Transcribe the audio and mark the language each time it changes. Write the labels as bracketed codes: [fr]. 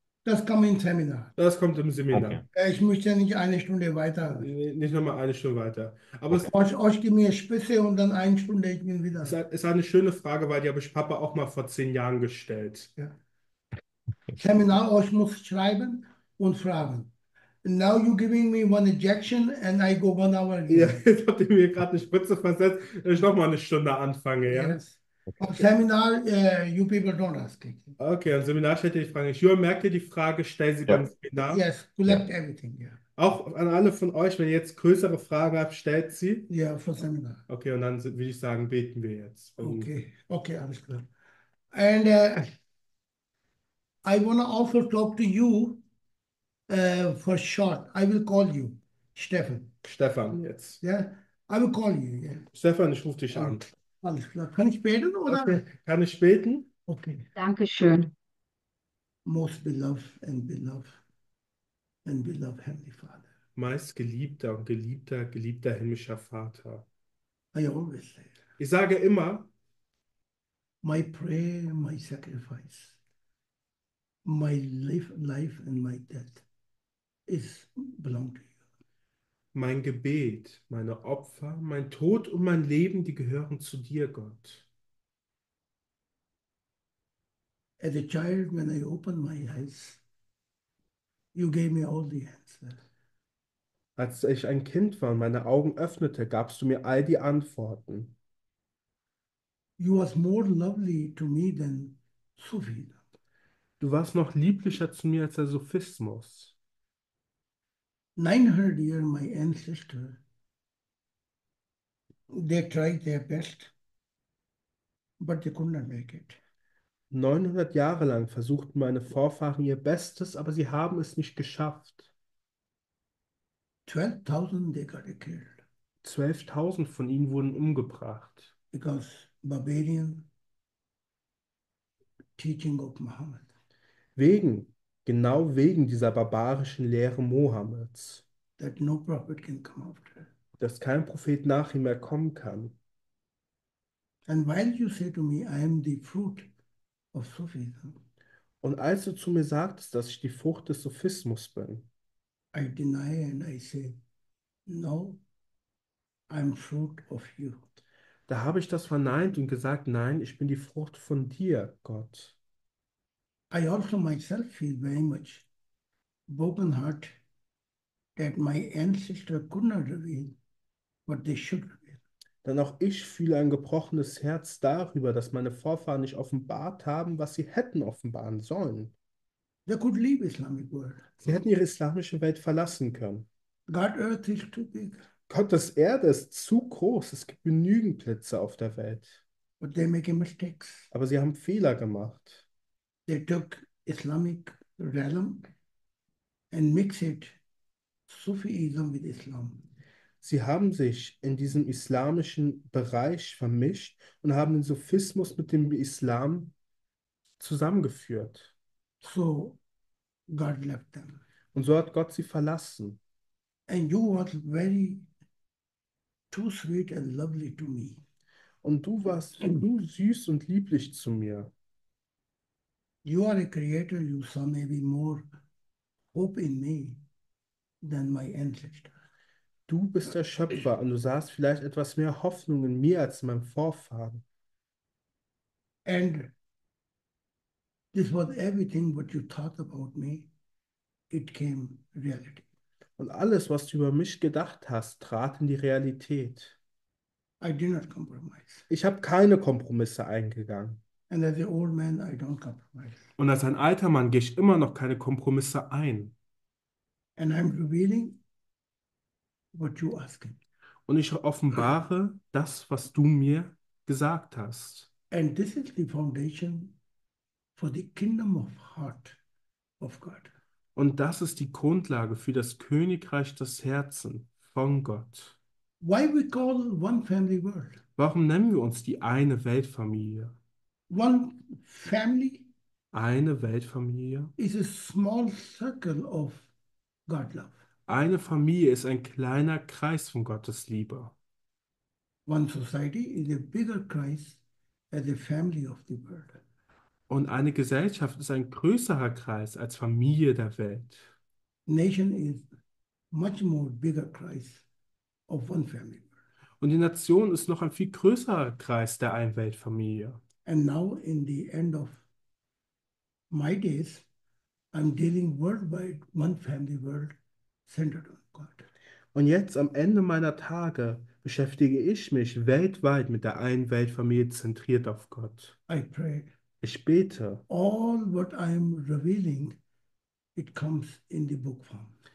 [de] Das kommt im Seminar. Das kommt im Seminar. Okay. Ich möchte nicht eine Stunde weiter. Nicht nochmal eine Stunde weiter. Aber Okay. Euch gib mir Spitze und dann eine Stunde ich bin es wieder. ist eine schöne Frage, weil die habe ich Papa auch mal vor 10 Jahren gestellt. Ja. Seminar, euch muss schreiben und fragen. [en] Now you giving me one injection and I go 1 hour [de] Ja, [en] again. [de] jetzt habt ihr mir gerade eine Spritze versetzt, wenn ich nochmal eine Stunde anfange, ja? [en] Yes. Am Seminar, you people don't ask it. [de] Okay, am Seminar stellt ihr die Frage. Jürgen, merkt ihr die Frage, stell sie beim Ja. Seminar. [en] Yes, collect everything, ja. [de] Auch an alle von euch, wenn ihr jetzt größere Fragen habt, stellt sie. Ja, für Seminar. Okay, und dann würde ich sagen, beten wir jetzt. Okay, alles klar. [en] I want to also talk to you for short. I will call you, Stefan. [de] Stefan, jetzt. [en] Ja, yeah? I will call you, ja. Yeah. [de] Stefan, ich rufe dich an. Okay, alles klar. Kann ich beten, oder? Okay, kann ich beten? Okay. Dankeschön. [en] Most beloved and beloved. And beloved Heavenly Father. [de] Meist geliebter und geliebter, geliebter himmlischer Vater. [en] I always say [de] Ich sage immer, [en] my prayer, my sacrifice, my life and my death is belong to you. [de] mein Gebet, meine Opfer, mein Tod und mein Leben, die gehören zu dir, Gott. [en] As a child, when I open my eyes, you gave me all the answers. [de] Als ich ein Kind war und meine Augen öffnete, gabst du mir all die Antworten. [en] You was more lovely to me than Sufism. [de] Du warst noch lieblicher zu mir als der Sophismus. [en] 900 years, my ancestor, they tried their best, but they could not make it. [de] 900 Jahre lang versuchten meine Vorfahren ihr Bestes, aber sie haben es nicht geschafft. [en] 12.000, they got killed. [de] 12.000 von ihnen wurden umgebracht. [en] Because Barbarian teaching of Muhammad. [de] Genau wegen dieser barbarischen Lehre Mohammeds, [en] That no prophet can come after. [de] dass kein Prophet nach ihm mehr kommen kann. [en] And while you say to me, I am the fruit of Sufism, [de] Und als du zu mir sagtest, dass ich die Frucht des Sophismus bin, [en] I deny and I say, no, I'm fruit of you. [de] da habe ich das verneint und gesagt, nein, ich bin die Frucht von dir, Gott. [en] I also myself feel very much broken heart that my ancestor could not reveal what they should reveal. [de] Denn auch ich fühle ein gebrochenes Herz darüber, dass meine Vorfahren nicht offenbart haben, was sie hätten offenbaren sollen. [en] They could leave Islamic world. [de] Sie hätten ihre islamische Welt verlassen können. [en] God Earth is too big. [de] Gottes Erde ist zu groß. Es gibt genügend Plätze auf der Welt. [en] But they make mistakes. [de] Aber sie haben Fehler gemacht. [en] They took Islamic realm and mix it Sufism with Islam. [de] Sie haben sich in diesem islamischen Bereich vermischt und haben den Sufismus mit dem Islam zusammengeführt. [en] So God left them. [de] Und so hat Gott sie verlassen. [en] And you were very too sweet and lovely to me. [de] Und du warst so süß und lieblich zu mir. [en] You are a creator, you saw maybe more hope in me than my ancestors. [de] Du bist der Schöpfer und du sahst vielleicht etwas mehr Hoffnung in mir als in meinem Vorfahren. [en] And this was everything what you thought about me, it came reality. [de] Und alles, was du über mich gedacht hast, trat in die Realität. [en] I did not compromise. [de] Ich habe keine Kompromisse eingegangen. [en] And as an old man, I don't compromise. [de] Und als ein alter Mann gehe ich immer noch keine Kompromisse ein. [en] And I'm revealing what you asking. [de] Und ich offenbare das, was du mir gesagt hast. [en] And this is the foundation for the kingdom of heart of God. [de] Und das ist die Grundlage für das Königreich des Herzens von Gott. [en] Why we call one family world? [de] Warum nennen wir uns die eine Weltfamilie? [en] One family [de] Eine Weltfamilie? [en] is a small circle of God love. [de] Eine Familie ist ein kleiner Kreis von Gottes Liebe. [en] One society is a bigger Christ as a family of the world. [de] Und eine Gesellschaft ist ein größerer Kreis als Familie der Welt. [en] Nation is much more bigger Christ of one family. [de] Und die Nation ist noch ein viel größerer Kreis der Einweltfamilie. [en] And now in the end of my days, I'm dealing worldwide, one family world centered on God. [de] Und jetzt am Ende meiner Tage beschäftige ich mich weltweit mit der Einweltfamilie zentriert auf Gott. [en] I pray [de] Ich bete. [en] all what I'm revealing, it comes in the book form.